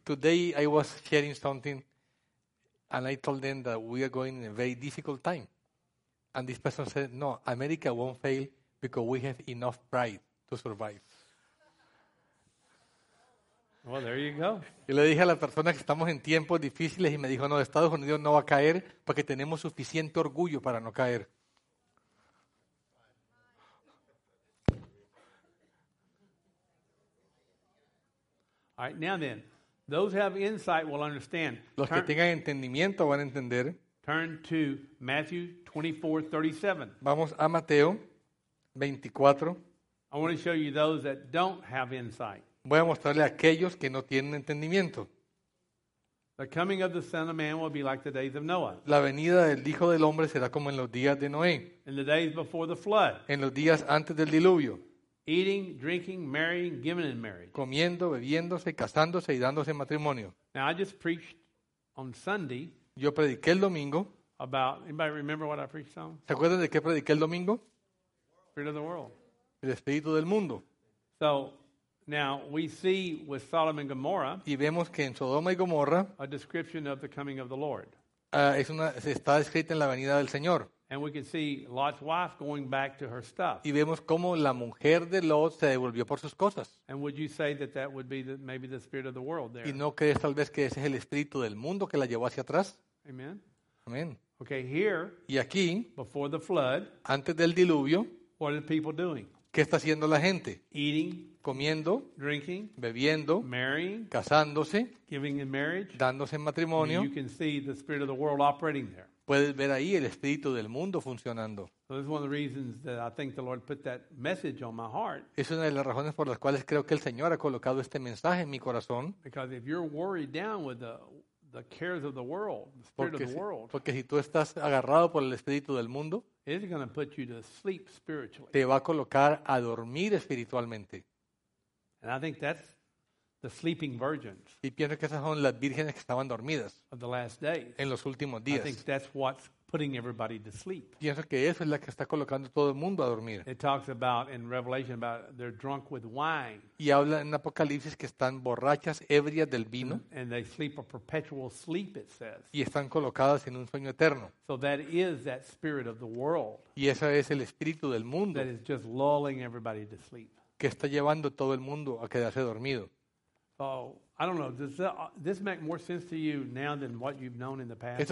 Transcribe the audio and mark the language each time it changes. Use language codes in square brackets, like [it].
[en] Today I was sharing something, and I told them that we are going in a very difficult time. And this person said, no, America won't fail because we have enough pride to survive. Well, there you go. [es] Y le dije a la persona que estamos en tiempos difíciles y me dijo, no, Estados Unidos no va a caer porque tenemos suficiente orgullo para no caer. [en] All right, now then, those who have insight will understand. [es] Los que tengan entendimiento van a entender. [en] Turn to Matthew 24:37. [es] Vamos a Mateo 24. [en] I want to show you those that don't have insight. [es] Voy a mostrarle a aquellos que no tienen entendimiento. [en] The coming of the Son of Man will be like the days of Noah. [es] La venida del Hijo del Hombre será como en los días de Noé. [en] In the days before the flood. [es] En los días antes del diluvio. [en] Eating, drinking, marrying, giving in marriage. [es] Comiendo, bebiéndose, casándose y dándose en matrimonio. [en] Now I just preached on Sunday. [es] Yo prediqué el domingo. [en] About, anybody remember what I preached on? [es] ¿Se acuerdan de qué prediqué el domingo? [en] Spirit of the world. [es] El espíritu del mundo. [en] So, now we see with Sodom and Gomorrah. [es] Y vemos que en Sodoma y Gomorra. [en] A description of the coming of the Lord. [es] Está escrita en la venida del Señor. [en] And we can see Lot's wife going back to her stuff. [es] Y vemos cómo la mujer de Lot se devolvió por sus cosas. [en] And would you say that would be maybe the spirit of the world there? [es] ¿Y no crees tal vez que ese es el espíritu del mundo que la llevó hacia atrás? [en] Amen. [es] Amen. [en] Okay, here. [es] Y aquí. [en] Before the flood. [es] Antes del diluvio. [en] What are the people doing? [es] ¿Qué está haciendo la gente? [en] Eating. [es] Comiendo. [en] Drinking. [es] Bebiendo. [en] Marrying. [es] Casándose. [en] Giving in marriage. [es] Dándose en matrimonio. [en] You can see the spirit of the world operating there. [es] Puedes ver ahí el espíritu del mundo funcionando. Es una de las razones por las cuales creo que el Señor ha colocado este mensaje en mi corazón. Porque si tú estás agarrado por el espíritu del mundo, te va a colocar a dormir espiritualmente. [en] And I think that's the sleeping virgins. [es] Y pienso que esas son las vírgenes que estaban dormidas. [en] Of the last days. [es] En los últimos días. [en] I think that's what's putting everybody to sleep. [es] Pienso que eso es la que está colocando todo el mundo a dormir. [en] It talks about in Revelation about they're drunk with wine. [es] Y habla en Apocalipsis que están borrachas, ebrias del vino. [en] And they sleep a perpetual sleep, it says. [es] Y están colocadas en un sueño eterno. [en] So that is that spirit of the world. [es] Y ese es el espíritu del mundo. [en] That is just lulling everybody to sleep. [es] Que está llevando todo el mundo a quedarse dormido. [en] Oh, I don't know. Does this make more sense to you now than what you've known in the past?